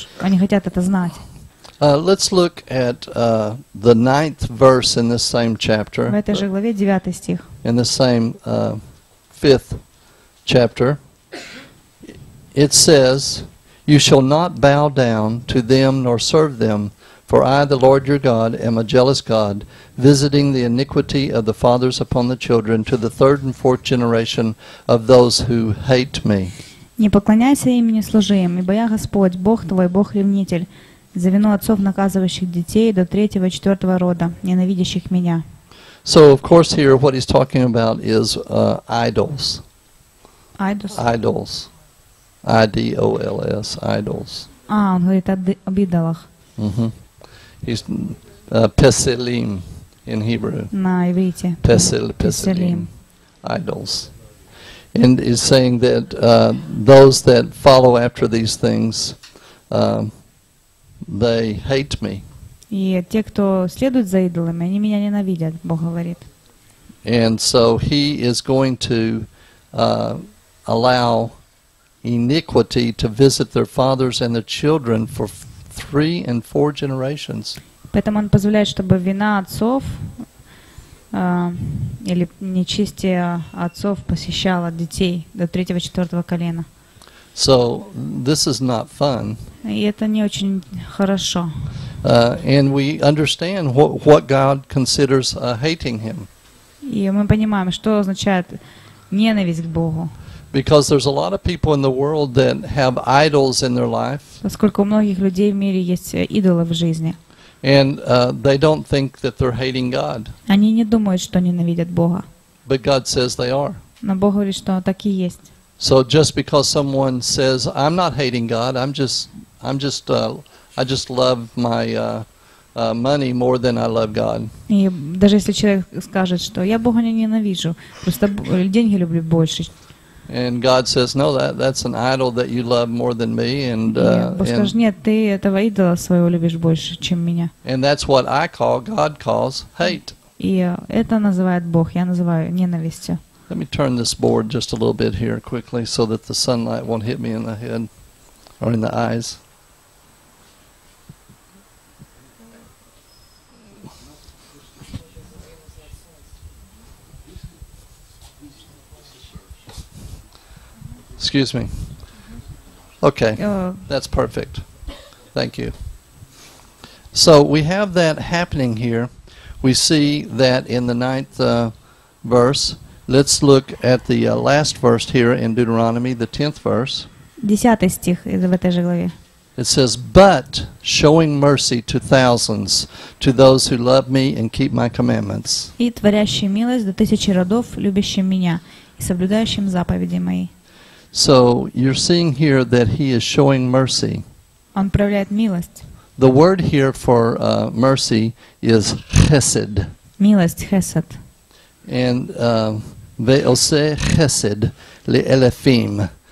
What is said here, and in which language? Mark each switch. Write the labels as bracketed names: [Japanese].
[Russian] Они хотят это знать. [English] Let's look at the ninth verse in this same chapter. [Russian] В этой же главе девятый стих. [English] In the same fifth chapter, it says, "You shall not bow down to them nor serve them." For I, the Lord your God, am a jealous God, visiting the iniquity of the fathers upon the children to the third and fourth generation of those who hate me. [Russian] Не поклоняйся им, не служи им, ибо я Господь, Бог твой, Бог ревнитель, за вину отцов наказывающих детей до третьего и четвертого рода, ненавидящих меня. [English] So, of course, here what he's talking about is idols. Idols. Idols. I-D-O-L-S. Idols. [Russian] А, он говорит об идолах. [English] He's Peselim in Hebrew. [Russian] На иврите. [English] Peselim. Idols. And is saying that those that follow after these things, they hate me. [Russian] И те, кто следует за идолами, они меня ненавидят, Бог говорит. [English] And so he is going to allow iniquity to visit their fathers and their children for three and four generations. [Russian] Поэтому он позволяет, чтобы вина отцов или нечестие отцов посещало детей до третьего, четвертого колена. [English] So this is not fun. [Russian] И это не очень хорошо. [English] And we understand what God considers hating him. [Russian] И мы понимаем, что означает ненависть к Богу. [English] Because there's a lot of people in the world that have idols in their life. [Russian] Поскольку у многих людей в мире есть идолы в жизни. [English] And they don't think that they're hating God. [Russian] Они не думают, что ненавидят Бога. [English] But God says they are. [Russian] Но Бог говорит, что так и есть. [English] So just because someone says, "I'm not hating God, I just love my money more than I love God." [Russian] И даже если человек скажет, что я Бога не ненавижу, просто деньги люблю больше. [English] And God says, "No, that's an idol that you love more than me." And [Russian] Бог скажет, нет, ты этого идола своего любишь больше, чем меня. [English] And that's what I call, God calls, hate. [Russian] И это называет Бог, я называю ненавистью. [English] Let me turn this board just a little bit here quickly, so that the sunlight won't hit me in the head or in the eyes. Excuse me. Okay, that's perfect. Thank you. So we have that happening here. We see that in the ninth verse. Let's look at the last verse here in Deuteronomy, the 10th verse. [Russian] Десятый стих в этой же главе. [English] It says, "But showing mercy to thousands, to those who love me and keep my commandments." [Russian] И творящий милость до тысячи родов, любящим меня и соблюдающим заповеди мои. [English] So you're seeing here that he is showing mercy. [Russian] Он проявляет милость. [English] The word here for mercy is chesed. [Russian] Милость, chesed. [Hebrew] And ve'ose chesed le'elefim.